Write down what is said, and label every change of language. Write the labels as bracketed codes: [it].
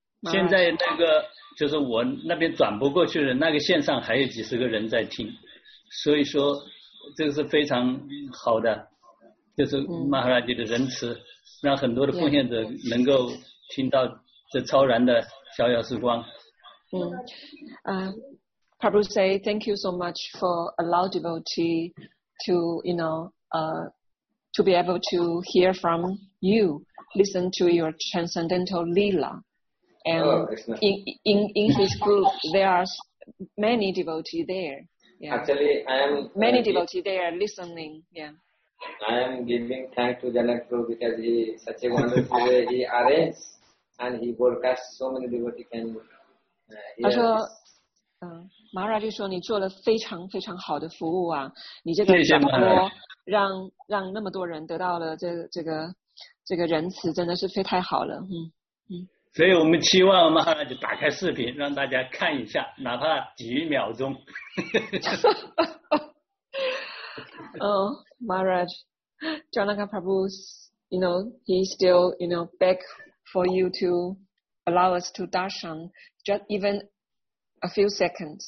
[zh] 现在那个就是我那边转不过去的那个线上还有几十个人在听，所以说这个是非常好的，就是 Maharaj 的仁慈，让很多的奉献者能够听到这超然的逍遥时光。 [en] Prabhu say thank you so much for allow devotee to, you know, to be able to hear from you, listen to your transcendental lila. And in his group, there are many devotee there. Yeah. Actually, I am listening. Yeah. I am giving thanks to Janak Prabhu because he is such a wonderful way he arranged and he broadcasts so many devotee can hear. Also, [zh] Mara 就说你做了非常非常好的服务啊，你这个广播让那么多人得到了这个仁慈，真的是非太好了。所以我们期望 Mara 就打开视频让大家看一下，哪怕几秒钟。 [en] Mara Janaka Prabhu, you know, he still, you know, beg for you to allow us to darshan just evena few seconds.